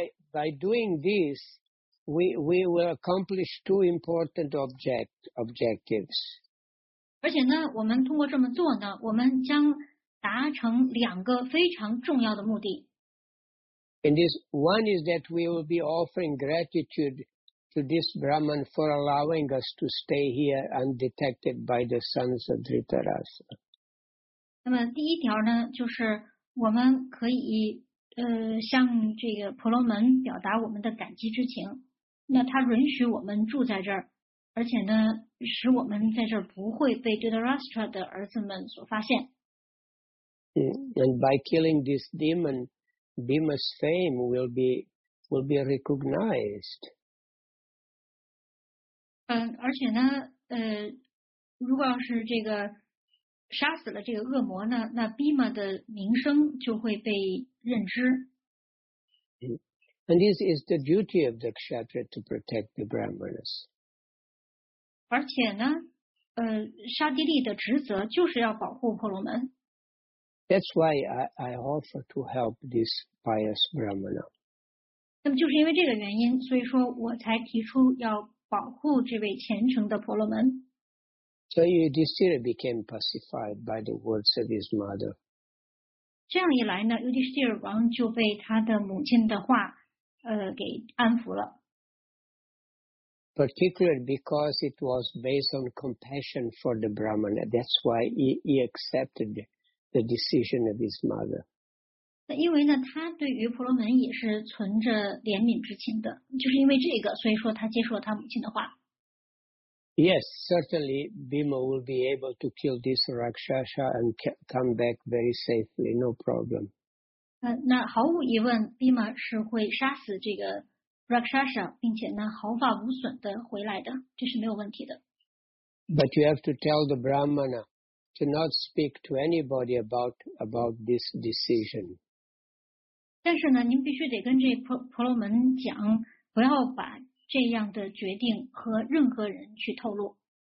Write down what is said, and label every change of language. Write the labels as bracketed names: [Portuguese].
[English] By doing this, we will accomplish two important objectives. [Chinese] 而且呢，我们通过这么做呢，我们将达成两个非常重要的目的。 [English] And this one is that we will be offering gratitude to this Brahman for allowing us to stay here undetected by the sons of Dhritarashtra. [Chinese] 那么第一条呢，就是我们可以向这个婆罗门表达我们的感激之情。那他允许我们住在这儿。而且呢，使我们在这儿不会被 Dhritarashtra 的儿子们所发现。 [English] And by killing this demon, Bhima's fame will be will be recognized. [Chinese] 而且呢，如果要是这个杀死了这个恶魔呢，那 Bhima 的名声就会被认知。 [English] And this is the duty of the Kshatriya to protect the Brahmanas. [Chinese] 而且呢，沙地利的职责就是要保护婆罗门。 [English] That's why I offer to help this pious Brahmana. [Chinese] 那么就是因为这个原因，所以说我才提出要保护这位虔诚的婆罗门。 [English] So Yudhishthira became pacified by the words of his mother. [Chinese] 这样一来呢， Yudhishthira 王就被他的母亲的话给安抚了。 [English] Particularly because it was based on compassion for the Brahmana, that's why he accepted the decision of his mother. [Chinese] 因为呢，他对于婆罗门也是存着怜悯之情的，就是因为这个，所以说他接受了他母亲的话。 [English] Yes, certainly Bhima will be able to kill this Rakshasa and come back very safely, no problem. [Chinese] 那毫无疑问 ，Bhima 是会杀死这个Rakshasa， 并且呢毫发无损的回来的，这是没有问题的。 [English] But you have to tell the Brahmana to not speak to anybody about this decision. [Chinese] 但是呢，您必须得跟这婆罗门讲，不要把这样的决定和任何人去透露。